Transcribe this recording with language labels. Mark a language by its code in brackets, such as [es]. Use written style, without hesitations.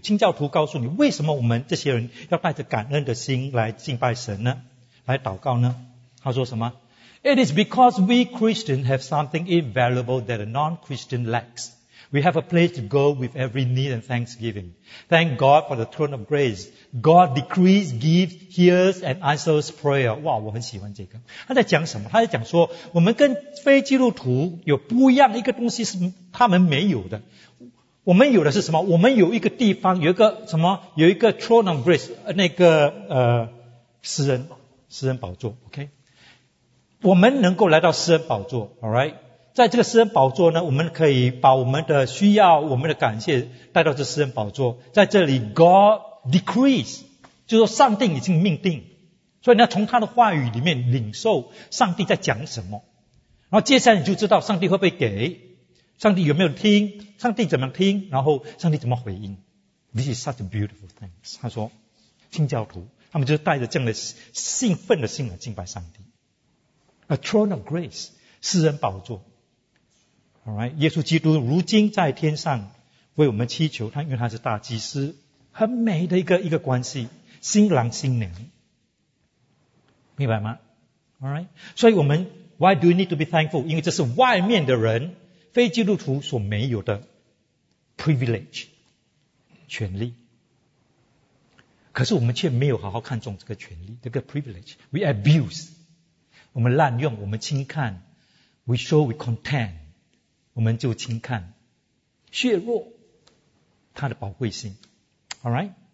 [zh] 清教徒告诉你，为什么我们这些人要带着感恩的心来敬拜神呢，来祷告呢？他说什么？ [en] It is because we Christians have something invaluable that a non-Christian lacks. We have a place to go with every need and thanksgiving. Thank God for the throne of grace. God decrees, gives, hears and answers prayer. [zh] 哇，我很喜欢这个。他在讲什么？他在讲说我们跟非基督徒有不一样，一个东西是他们没有的。我们有的是什么？我们有一个地方，有一个什么，有一个 [en] throne of grace， [zh] 那个私人宝座， OK。我们能够来到私人宝座， alright， 在这个私人宝座呢，我们可以把我们的需要、我们的感谢带到这私人宝座。在这里 [en] God decrees， [zh] 就是说上帝已经命定，所以你要从他的话语里面领受上帝在讲什么，然后接下来你就知道上帝会不会给，上帝有没有听，上帝怎么听，然后上帝怎么回应。 [en] This is such a beautiful thing， [zh] 他说清教徒他们就带着这样的兴奋的心来敬拜上帝。 [en] A throne of grace， [zh] 私人宝座。 [en] All right， [zh] 耶稣基督如今在天上为我们祈求，他因为他是大祭司，很美的一个关系，新郎新娘，明白吗？ [en] All right， [zh] 所以我们 [en] why do you need to be thankful？ [zh] 因为这是外面的人，非基督徒所没有的 privilege， 权利。可是我们却没有好好看重这个权利，这个 privilege， [en] we abuse。 [zh] 我们滥用，我们轻看， [en] we show we contend， [zh] 我们就轻看削弱它的宝贵性， alright。